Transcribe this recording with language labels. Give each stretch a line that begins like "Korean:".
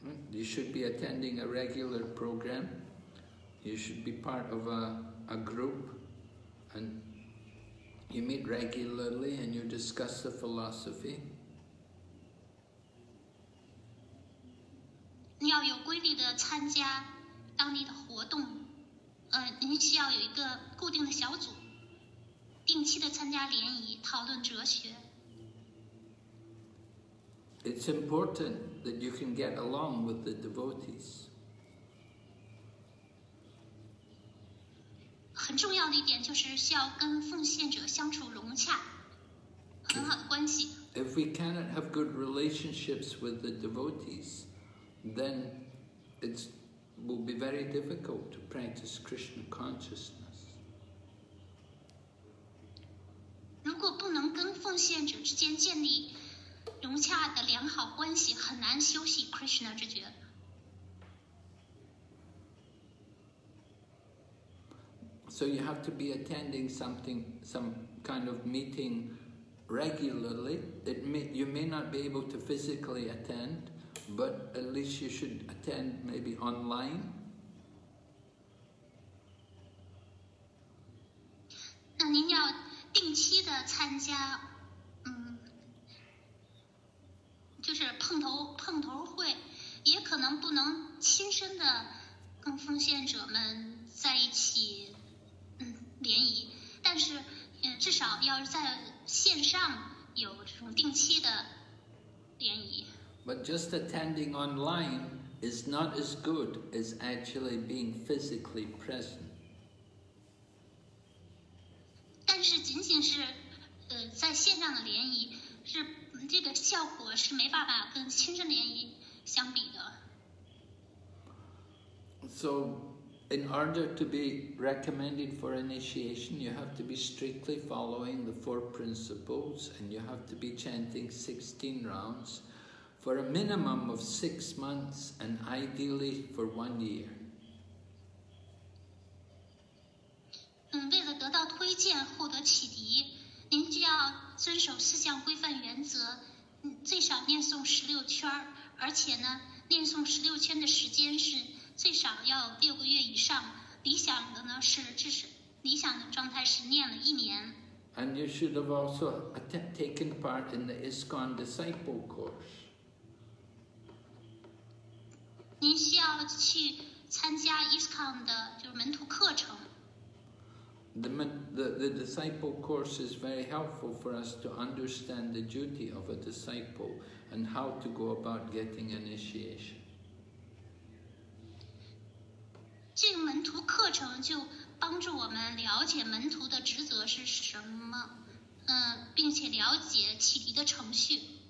English: You should be attending a regular program. You should be part of a group, and you meet regularly and you discuss the philosophy.
Chinese: 你要有规律的参加当地的活动，您需要有一个固定的小组，定期的参加联谊，讨论哲学。
English: It's important that you can get along with the devotees.
Chinese: 很重要的一点就是需要跟奉献者相处融洽，很好的关系。
English: If we cannot have good relationships with the devotees, then it will be very difficult to practice Krishna consciousness.
Chinese: 如果不能跟奉献者之间建立融洽的良好关系很难修习 Krishna 之觉。
English: So you have to be attending something, some kind of meeting regularly that you may not be able to physically attend, but at least you should attend maybe online.
Chinese: 那您要定期的参加，就是碰头会，也可能不能亲身的跟奉献者们在一起联谊，但是至少要在线上有这种定期的联谊。
English: But just attending online is not as good as actually being physically present.
Chinese: 但是仅仅是在线上的联谊是这个效果是没办法跟亲身联谊相比的。
English: So,In order to be recommended for initiation, you have to be strictly following the four principles and you have to be chanting 16 rounds for a minimum of 6 months and ideally for 1 year.
Chinese: 为了得到推荐获得启迪，您就要遵守四项规范原则，最少念诵16圈，而且呢，念诵16圈的时间是最少要6个月以上，理想的状态是念了一年。
English: And you should have also taken part in the ISKCON disciple course.
Chinese: 您需要去参加 ISKCON 的就是门徒课程。
English: The disciple course is very helpful for us to understand the duty of a disciple and how to go about getting initiation.
Chinese: 这个门徒课程就帮助我们了解门徒的职责是什么，并且了解启迪的程序。